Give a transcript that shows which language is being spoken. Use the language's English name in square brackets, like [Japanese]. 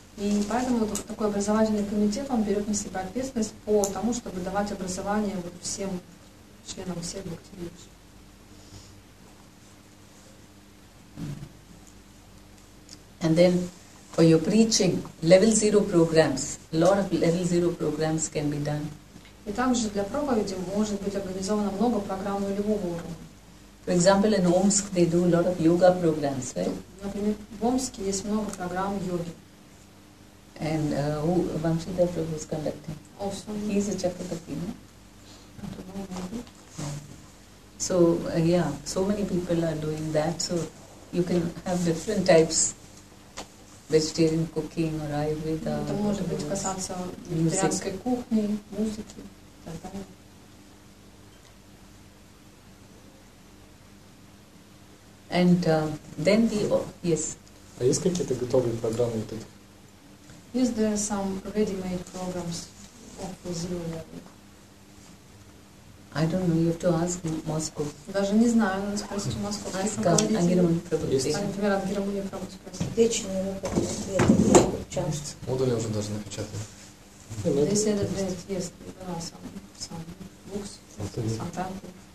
[Russian] И поэтому вот такой образовательный комитет, он берет на себя ответственность по тому, чтобы давать образование вот всем членам всех бхакти-викш. [English] And then for your preaching, level zero programs, a lot of level zero programs can be done. [Russian] И также для проповеди может быть организовано много программ на любого уровня. [English] For example, in Omsk they do a lot of yoga programs, right? [Russian] Например, в Омске есть много программ йоги. [English] And who Vamshita Prabhu is conducting? Awesome. He is a Chakrapati, no? I don't know, maybe. So, so many people are doing that. So, you can have different types, vegetarian cooking or Ayurveda. It can be about vegetarian cooking, music, etc. And then we, yes. Are you going to get a [Russian] готовый программ вот этих? [English] Is there some ready-made programs of the zero level? I don't know. You have to ask Moscow. [Russian] Даже не знаю, надо спросить у Москвы. [English] Ask Ангирамуни Прабху. [Russian] Например, Ангирамуни Прабху спросить. Вечный вопрос. Модули уже даже напечатали. [English] They said that there is some books, some tanti.